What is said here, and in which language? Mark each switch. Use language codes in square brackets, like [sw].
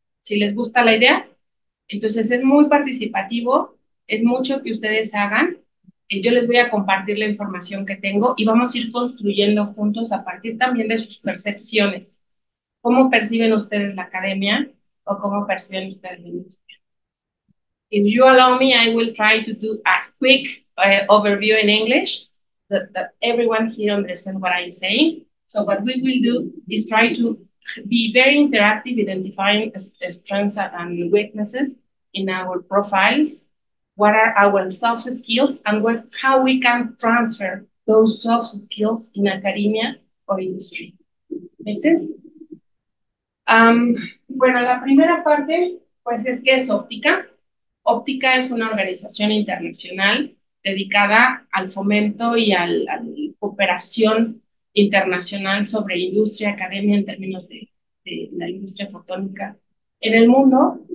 [es] Si les gusta la idea, entonces, es muy participativo, es mucho que ustedes hagan. Yo les voy a compartir la información que tengo y vamos a ir construyendo juntos a partir también de sus percepciones. ¿Cómo perciben ustedes la academia o cómo perciben ustedes la industria? [en] If you allow me, I will try to do a quick overview in English that everyone here understands what I'm saying. So what we will do is try to be very interactive identifying strengths and weaknesses in our profiles, what are our soft skills, and how we can transfer those soft skills in academia or industry. [es] ¿Meses? Bueno, la primera parte, pues es que es Óptica. Óptica es una organización internacional dedicada al fomento y a la cooperación internacional sobre industria, academia en términos de la industria fotónica en el mundo.